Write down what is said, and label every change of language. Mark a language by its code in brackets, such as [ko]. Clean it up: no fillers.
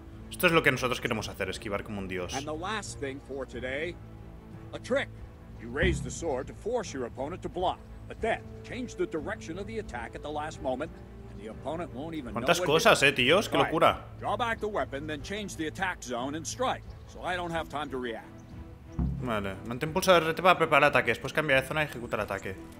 [es] Esto es lo que nosotros queremos hacer, esquivar como un dios. [en] And the last thing for today, a trick. You raise the sword to force your opponent to block, but then change the direction of the attack at the last moment, and the opponent won't even know. [es] ¿Cuántas cosas, tíos? Qué locura. [en] Draw back the weapon, then change the attack zone and strike, so I don't have time to react. [es] Vale, mantén pulsado RT para preparar ataques, después cambia de zona y ejecuta el ataque.